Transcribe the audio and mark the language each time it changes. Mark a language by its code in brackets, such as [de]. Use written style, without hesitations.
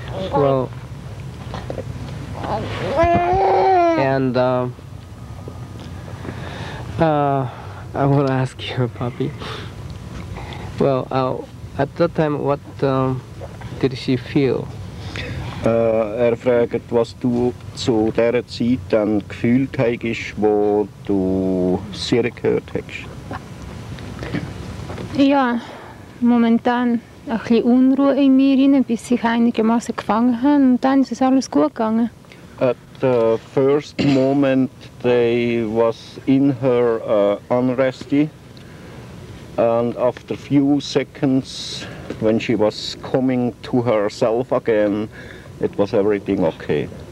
[en] Well, and I want to ask you, Poppy. Well, at that time, what did she feel? [de] Er fragt, was du zu dieser Zeit dann gefühlt hast, wo du sehr gehört hast. Ja, momentan ein bisschen Unruhe in mir, bis ich einigermaßen gefangen habe. Und dann ist es alles gut gegangen. [en] At the first moment, they was in her unresty. And after a few seconds, when she was coming to herself again, it was everything okay.